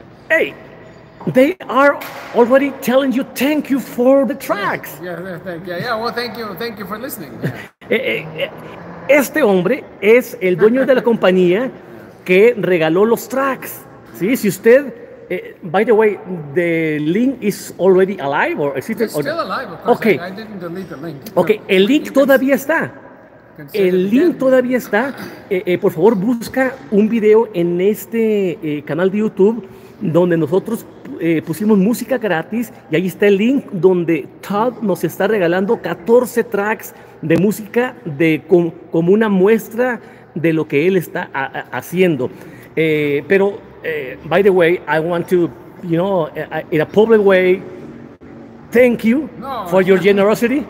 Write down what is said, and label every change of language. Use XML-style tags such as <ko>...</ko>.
<en>Hey, they are already telling you thank you for the tracks. Thank you for listening.</en> <es>Este hombre es el dueño de la compañía que regaló los tracks. Sí, si usted,</es> <en>by the way, the link is already alive or is it still alive? Okay. I didn't delete the link.</en> <es>Okay, no, el link todavía está. El link todavía está. Por favor, busca un video en este canal de YouTube donde nosotros pusimos música gratis y ahí está el link donde Todd nos está regalando 14 tracks de música de como una muestra de lo que él está haciendo.</es> <en>Pero by the way, I want to, you know, in a public way, thank you for your generosity.</en>